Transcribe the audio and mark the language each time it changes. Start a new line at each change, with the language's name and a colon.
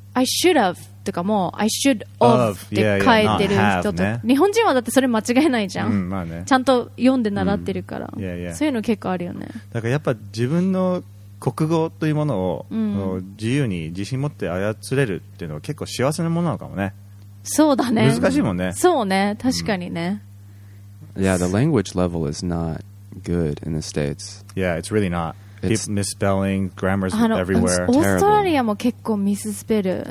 English: I should have
Japanese: とかも
English: I should of
Japanese: って変えてる人と、日本人はだってそれ間違えないじゃん、まあね、ちゃんと読んで習ってるから、そういうの結構あるよね。だからやっぱ自分の国語というものを、自由に自信持って操れるっていうのは結構幸せなものなのかもね。そうだね。難しいもんね。そうね、確かにね。
English: Yeah, the language level is not good in the States. Yeah, it's really not. Keep misspelling, grammar's everywhere.
Japanese: オーストラリアも結構ミススペル。